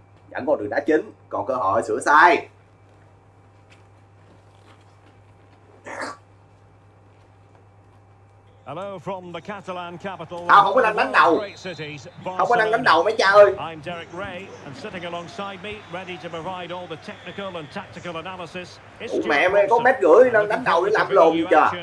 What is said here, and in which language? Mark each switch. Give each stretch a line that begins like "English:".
Vietnamese: Vẫn còn đường đá chính. Còn cơ hội sửa sai.
English: Hello from the Catalan capital.
Vietnamese: Tao không có đang đánh đầu. Không có đang đánh đầu mấy cha ơi.
English: I'm Derek Ray and sitting alongside me ready to provide all the technical and tactical analysis.
Vietnamese: Ủa mẹ mày có mét rưỡi đang đánh đầu để làm lồn gì chờ.